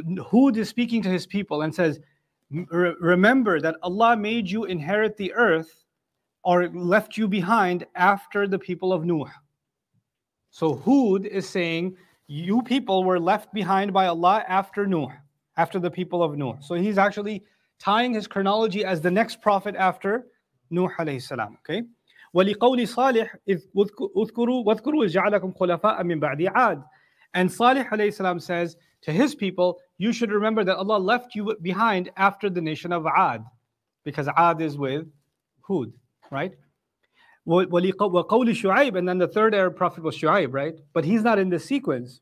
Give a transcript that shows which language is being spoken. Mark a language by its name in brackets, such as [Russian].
[English] Hud is speaking to his people and says, remember that Allah made you inherit the earth or left you behind after the people of Nuh. So Hud is saying, you people were left behind by Allah after Nuh, after the people of Nuh. So he's actually tying his chronology as the next prophet after Nuh alayhi salam. Okay? [Arabic] ولقول صالح اذكروا جعلكم خلفاء من بعد عاد. [English] And Salih alayhi salam says to his people, you should remember that Allah left you behind after the nation of Aad, because Aad is with Hud, right? [Arabic] وَقَوْلِ شُعَيْبٍ. [English] And then the third Arab prophet was Shu'aib, right? But he's not in the sequence.